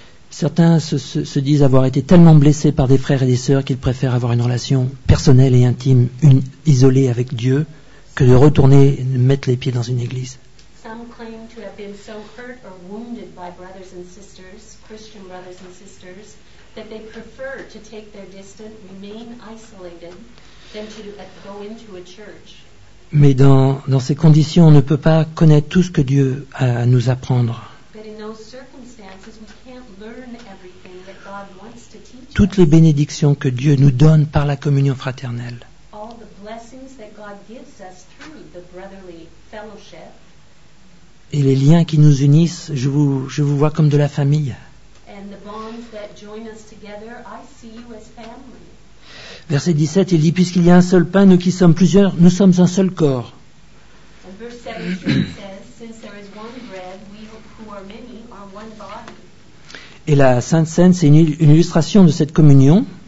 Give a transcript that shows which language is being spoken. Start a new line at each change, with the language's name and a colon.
French: Certains se disent avoir été tellement blessés par des frères et des sœurs qu'ils préfèrent avoir une relation personnelle et intime, isolée avec Dieu, que de retourner mettre les pieds dans une église.
English: Some claim to have been so hurt or wounded by brothers and sisters, Christian brothers and sisters, that they prefer to take their distance, remain isolated, than to go into a church.
French: Mais dans ces conditions, on ne peut pas connaître tout ce que Dieu a à nous apprendre.
English: But in those circumstances, we can't learn everything that God wants to teach.
French: Toutes les bénédictions que Dieu nous donne par la communion fraternelle.
English: All the blessings that God gives us through the brotherly fellowship.
French: Et les liens qui nous unissent, je vous vois comme de la famille.
English: And the bonds that join us together, I see you as family.
French: Verset 17, il dit, puisqu'il y a un seul pain, nous qui sommes plusieurs, nous sommes un seul corps.
English: And verse 17 says, since there is one bread, we who are many are one body.
French: Et la Sainte Cène, c'est une illustration de cette communion.